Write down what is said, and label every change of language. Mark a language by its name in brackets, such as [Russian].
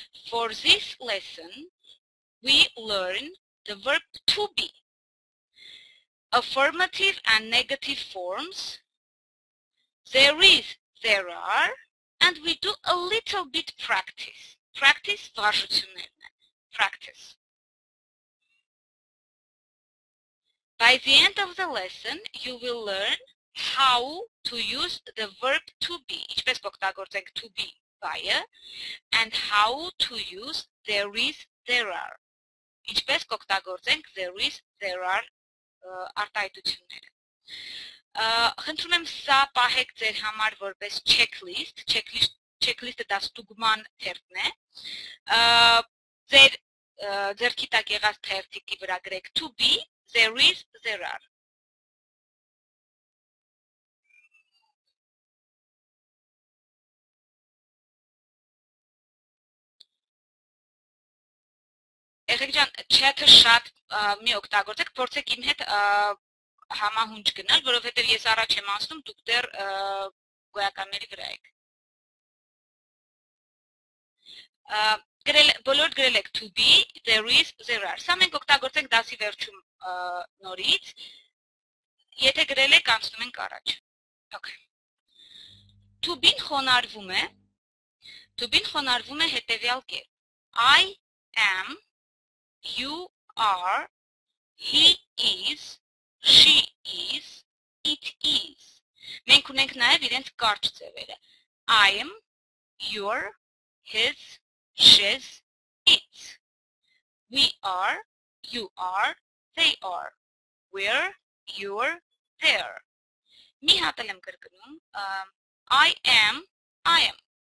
[English] For this lesson, we learn the verb to be, affirmative and negative forms, there is, there are, and we do a little bit practice. [Armenian] Practice, վարժություններն են, practice. [English] By the end of the lesson, you will learn how to use the verb to be, [Armenian] ինչպես օգտագործենք [English] to be. And how to use there is, there are. [Armenian] Ինչպես կօգտագործենք [English] there is, there are [Armenian] արտահայտությունները. Խնդրում եմ սա պահեք ձեր համար որպես checklist. Checklist-ը դա ստուգման թերթն է. Ձեր ձեռքի տակ եղած թերթիկի վրա գրեք [English] to be, there is, there are. [Armenian] Եղեկջան, չատը շատ մի օգտագործեք, փորձեք իմ հետ համահունչ գնել, որովհետև ես առաջ եմ ասում, դուք դեռ գոյականների վրա եք։ Բոլոր գրել եք [English] to be, there is, there are։ [Armenian] Սա մենք օգտագործենք դասի վերջում նորից, եթե գրել եք, անցնում ենք առաջ։ To be-ն խոնարհվում է, to be-ն խոնարհվում է հետևյալ կերպ. [English] I am, you are, he is, she is, it is. [Armenian] Մենք ունենք նաև իրենց կարճ ձևերը. [English] I am, your, his, she's, it's. We are, you are, they are. We're, you're, they're. [Armenian] Մի հատ եմ կրկնում. [English] I am, I am.